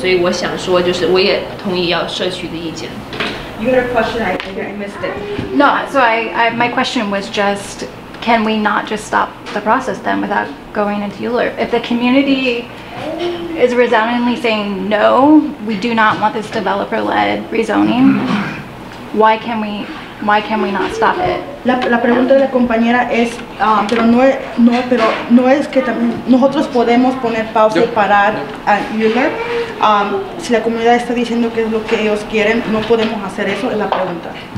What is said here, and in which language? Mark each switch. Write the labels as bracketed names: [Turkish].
[Chinese] 那个规划那个开始那个叫Uler，它不是一个给社区谈话的机会，所以我想说我现在就是已经来更多的时间了解你们的意见，但是我想说那个工厂商他们是有很多权利，然后来得到这个私人的公司，所以我想说就是我也同意要社区的意见。 [English] You had a question, I missed it. No, so my question was just, can we not just stop the process then without going into Euler? If the community is resoundingly saying no, we do not want this developer-led rezoning, why can we not stop it? [Spanish] La pregunta de la compañera es, pero no es que también nosotros podemos poner pausa y parar a Euler. Si la comunidad está diciendo que es lo que ellos quieren, no podemos hacer eso, es la pregunta.